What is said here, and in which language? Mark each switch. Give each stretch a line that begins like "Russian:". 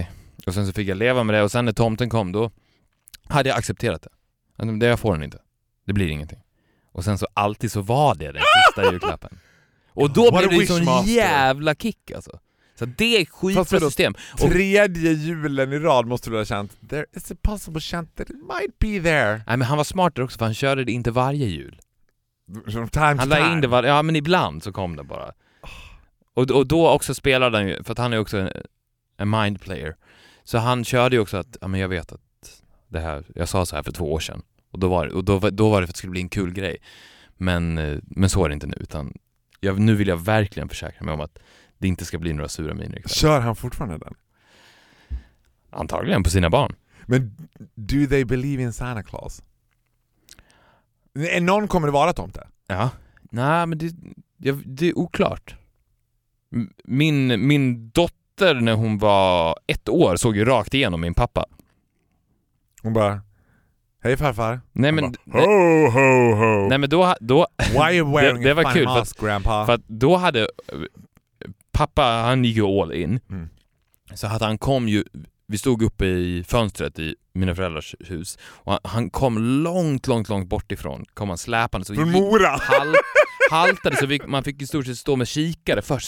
Swedish: Okay. Och sen så fick jag leva med det. Och sen när tomten kom, då hade jag accepterat det. Det jag får den inte. Det blir ingenting. Och sen så alltid så var det den sista julklappen. Och då blev det sån jävla kick alltså. Så det är skitbra system. Och tredje julen i rad måste du ha känt.
English: There is a possible chance that it might be there.
Swedish: Nej, men han var smartare också för han körde det inte varje jul.
English: From time
Swedish: han la in det varje, ja men ibland så kom det bara. Och då också spelade han ju, för att han är också en mind player. Så han körde ju också att, ja men jag vet att det här, jag sa så här för 2 år sedan. Och då var det för att det skulle bli en kul grej. Men så är det inte nu. Utan nu vill jag verkligen försäkra mig om att det inte ska bli några sura miner. Kör han fortfarande den? Antagligen på sina barn.
English: Men do they believe in Santa Claus?
Swedish: Någon kommer det vara tomte? Ja. Nej, men det är oklart. Min dotter när hon var 1 år såg ju rakt igenom min pappa. Hon bara... Hej farfar. Nej men ho ho ho. Nej men då
English: why are you wearing
Swedish: det var kul
English: mask, grandpa?
Swedish: För att då hade pappa, han gick ju all in. Mm. Så att han kom ju Vi stod uppe i fönstret i mina föräldrars hus. Och han kom långt, långt, långt bort ifrån. Kom han släpande. För Mora! Haltade så man fick i stort sett stå med kikare först.